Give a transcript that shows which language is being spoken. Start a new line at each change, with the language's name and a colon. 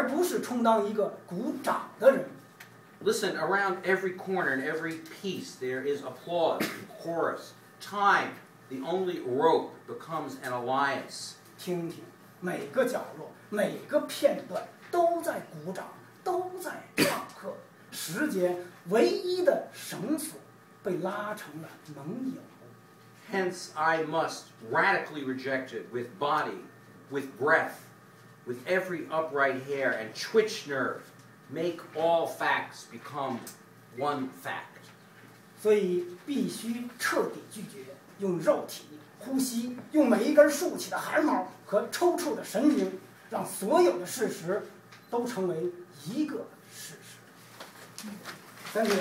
Chinese: 打开房门,向外走出10步,再退回来,这样来拒绝以灵魂的名义,而不是充当一个鼓掌的人。
English: Listen, around every corner and every piece, there is applause and chorus. Time, the only rope, becomes an alliance.
Chinese: 听听,每个角落,每个片段,都在鼓掌,都在唱课。时间,唯一的绳索。
English: Hence, I must radically reject it with body, with breath, with every upright hair and twitch nerve, make all facts become one fact.
Chinese: 所以必须彻底拒绝,用肉体,呼吸,用每一根竖起的汗毛和抽搐的神经,让所有的事实都成为一个事实。
English: Thank you.